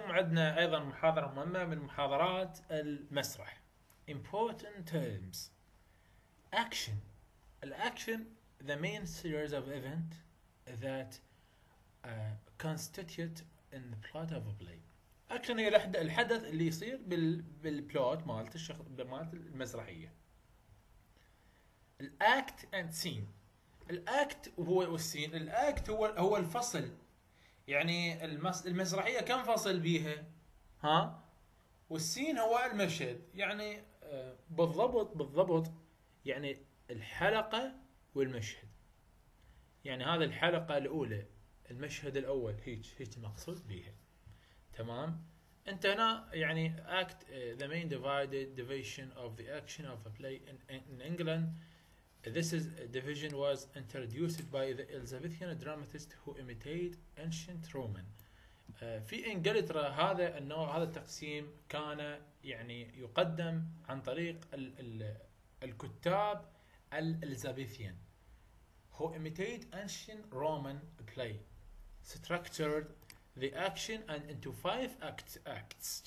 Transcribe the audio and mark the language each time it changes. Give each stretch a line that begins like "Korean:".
Arabic: عندنا أيضا محاضرة مهمة من محاضرات المسرح.
English: Important terms. Action. Action, the main series of event that constitute in the plot of a play.
Arabic: Action هي الحدث اللي يصير بالبلوت مالت مالت المسرحية.
English: Act and scene.
Arabic: الأكت هو والسين. الأكت هو الفصل. يعني المسرحية كم فصل بيها؟ ها؟ والسين هو المشهد. يعني بالضبط بالضبط يعني الحلقة والمشهد. يعني هذا الحلقة الأولى، المشهد الأول، هيك مقصود بيها. تمام؟ أنت هنا يعني
English: act the main division of the action of a play in England. This is a division was introduced by the Elizabethan dramatist who imitated ancient Roman.
Arabic: في إنجلترا هذا النوع، هذا التقسيم كان يعني يقدم عن طريق الكتاب الإلزابيثيان
English: who imitated ancient Roman play, structured the action and into five acts.